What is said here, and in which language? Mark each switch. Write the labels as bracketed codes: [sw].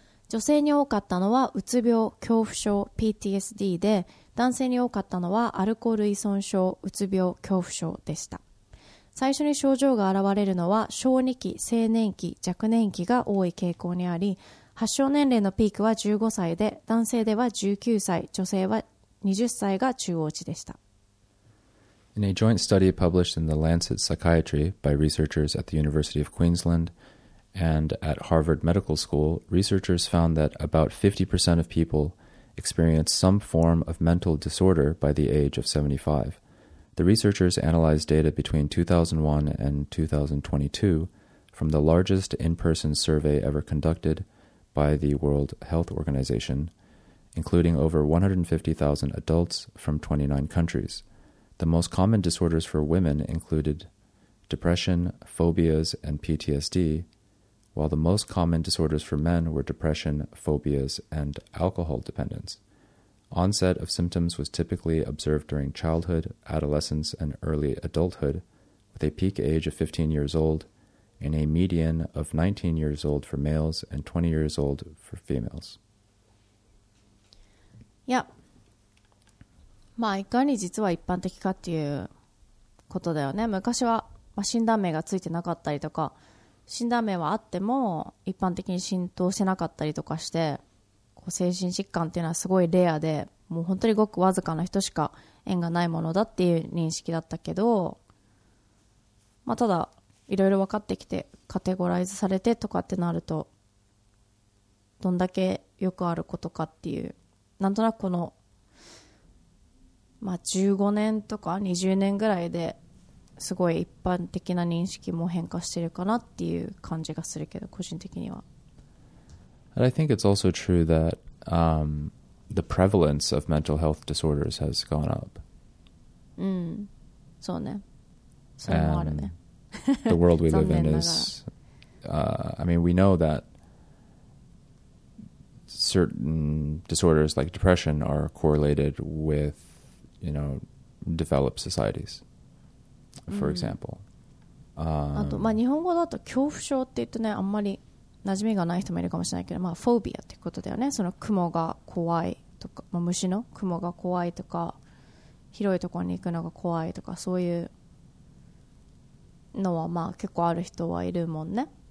[ja] 女性に多かったのはうつ病、恐怖症、PTSD で男性に多かったのはアルコール依存症、うつ病、恐怖症でした。最初に症状が現れるのは小児期、青年期、若年期が多い傾向にあり、発症年齢のピークは15歳で、男性では19歳、女性は20歳が中央値でした。 [en] In a joint study published in the Lancet Psychiatry by researchers at the University of Queensland and at Harvard Medical School, researchers found that about 50% of people experience some form of mental disorder by the age of 75. The researchers analyzed data between 2001 and 2022 from the largest in-person survey ever conducted by the World Health Organization, including over 150,000 adults from 29 countries. The most common disorders for women included depression, phobias, and PTSD, while the most common disorders for men were depression, phobias, and alcohol dependence. Onset of symptoms was typically observed during childhood, adolescence, and early adulthood, with a peak age of 15 years old and a median of 19 years old for males and 20 years old for females. Yep. [ja] まあ、いかに実は一般的かっていうことだよね。昔は、まあ、診断名がついてなかったりとか、診断名はあっても一般的に浸透してなかったりとかして、こう精神疾患っていうのはすごいレアで、もう本当にごくわずかな人しか縁がないものだっていう認識だったけど、まあ、ただいろいろ分かってきてカテゴライズされてとかってなると、どんだけよくあることかっていう、なんとなくこの、まあ、15年とか20年ぐらいですごい一般的な認識も変化してるかなっていう感じがするけど、個人的には。 [en] And I think it's also true that, the prevalence of mental health disorders has gone up. [ja] うん、そうね。それもあるね。 [en] The world we live in is, I mean, we know that certain disorders like depression are correlated with, you know, developed societies. For example、 [ja] あと、まあ、日本語だと恐怖症って言うとね、あんまり馴染みがない人もいるかもしれないけど、まあ、フォービアってことだよね。その雲が怖いとか、まあ、虫の雲が怖いとか、広いところに行くのが怖いとか、そういうのはまあ結構ある人はいるもんね。